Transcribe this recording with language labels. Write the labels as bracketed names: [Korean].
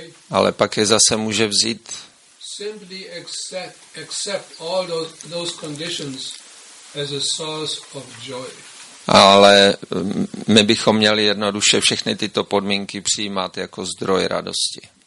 [Czech] Ale pak je zase může vzít. [English] Simply accept all those conditions as a source of joy. [Czech] Ale my bychom měli jednoduše všechny tyto podmínky přijímat jako zdroj radosti.